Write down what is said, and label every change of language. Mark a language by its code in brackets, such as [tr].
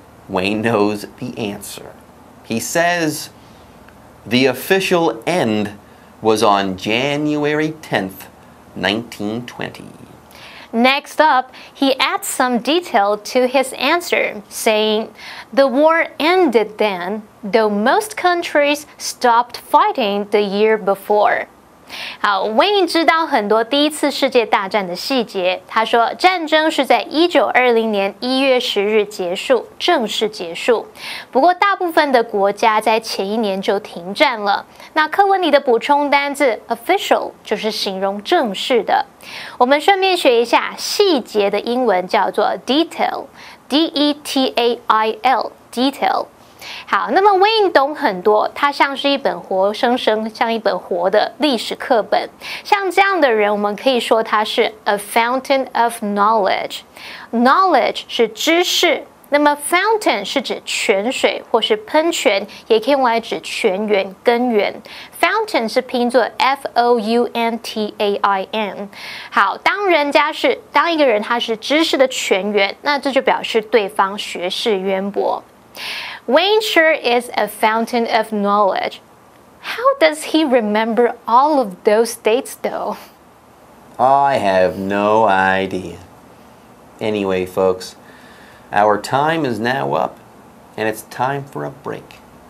[en] Wayne knows the answer. He says, the official end was on January 10th, 1920. Next up, he adds some detail to his answer, saying, the war ended then, though most countries stopped fighting the year before. [zh] 好 ,Wayne 知道很多第一次世界大战的细节。他说战争是在1920年1月10日结束，正式结束。不过大部分的国家在前一年就停战了。那课文里的补充单字 official 就是形容正式的。我们顺便学一下细节的英文叫做 detail,D-E-T-A-I-L, detail。好，那么 Wayne 懂很多，他像是一本活生生，像一本活的历史课本。像这样的人，我们可以说他是 [en] a fountain of knowledge。 [zh] Knowledge 是知识，那么 fountain 是指泉水或是喷泉，也可以用来指泉源、根源。 Fountain 是拼作 F-O-U-N-T-A-I-N。好，当一个人他是知识的泉源，那这就表示对方学识渊博。 [en] Wayne sure is a fountain of knowledge. How does he remember all of those dates, though? I have no idea. Anyway, folks, our time is now up, and it's time for a break.